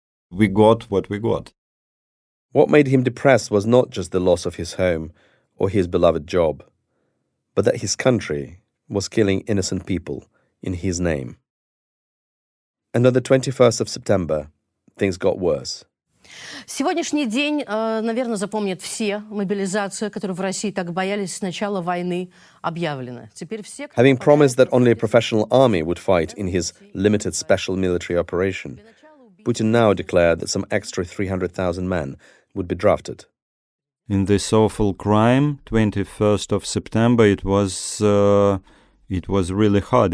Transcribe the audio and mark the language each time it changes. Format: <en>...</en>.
<en>We got what we got. What made him depressed was not just the loss of his home or his beloved job, but that his country was killing innocent people in his name. And on the 21st of September, things got worse.</en> <ru>Сегодняшний день, наверное, запомнят все мобилизацию, которую в России так боялись с начала войны объявлена. Теперь все.</ru> <en>Having promised that only a professional army would fight in his limited special military operation, Putin now declared that some extra 300,000 men would be drafted. In this awful crime, 21st of September, it was really hard.</en>